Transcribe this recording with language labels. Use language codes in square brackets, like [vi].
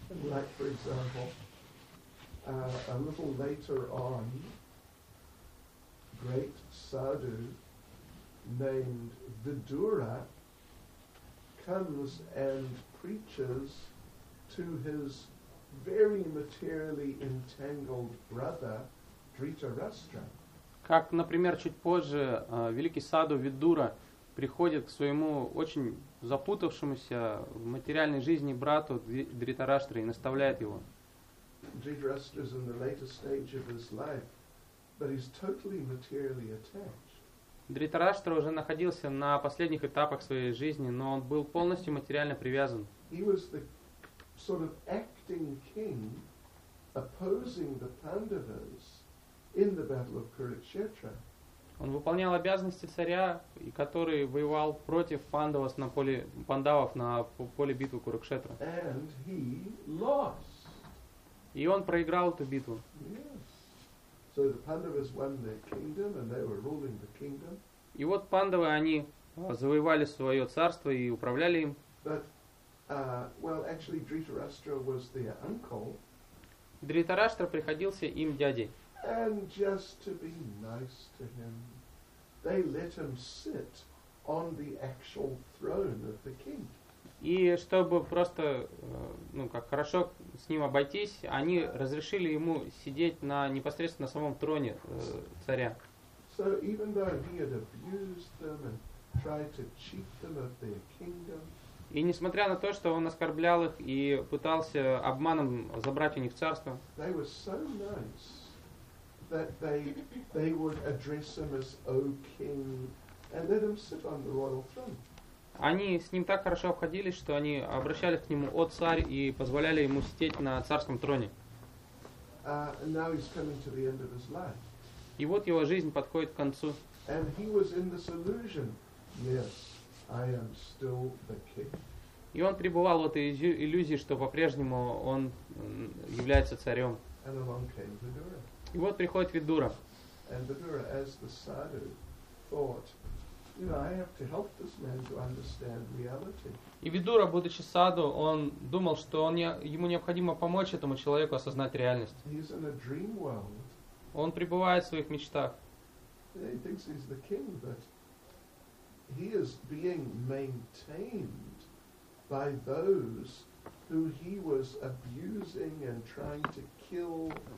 [en] Like, for example, a little later on, great sadhu named Vidura comes and preaches to his very materially entangled brother Dhritarashtra. [ru] Как, например, чуть позже великий саду Видура приходит к своему очень запутавшемуся в материальной жизни брату Дритараштре и наставляет его. [en] Dhritarashtra is in the later stage of his life, but he's totally materially attached. [ru] Дритараштра уже находился на последних этапах своей жизни, но он был полностью материально привязан. [en] He was the sort of acting king opposing the Pandavas in the battle of Kurukshetra. [ru] Он выполнял обязанности царя, который воевал против пандавов на поле битвы Курукшетра. [en] And he lost. [ru] И он проиграл эту битву. [en] Yes. So the Pandavas won their kingdom and they were ruling the kingdom. [ru] И вот пандавы, они завоевали свое царство и управляли им. [en] But, well, actually, Dhritarashtra was their uncle. [ru] Дритараштра приходился им дядей. [en] And just to be nice to him, they let him sit on the actual throne of the king. [ru] И чтобы просто, ну, как хорошо с ним обойтись, они разрешили ему сидеть на непосредственно на самом троне царя. [en] So even though he had abused them and tried to cheat them of their kingdom. [ru] И несмотря на то, что он оскорблял их и пытался обманом забрать у них царство. [en] They were so nice that they would address him as O King and let him sit on the royal throne. [ru] Они с ним так хорошо обходились, что они обращались к нему О царь и позволяли ему сидеть на царском троне. [en] Now he's coming to the end of his life. [ru] И вот его жизнь подходит к концу. [en] And he was in this illusion. Yes, I am still the king. [ru] И он пребывал в этой иллюзии, что по-прежнему он является царем. [en] And along came Vidura. [ru] И вот приходит Видура. [en] And Vidura, as the sadhu, thought, you know, I have to help this man to understand reality. [ru] И Видура, будучи саду, он думал, что ему необходимо помочь этому человеку осознать реальность. [en] He's in a dream world. [ru] Он пребывает в своих мечтах. [en] He thinks he's the king, but he is being maintained by those who he was abusing and trying to kill.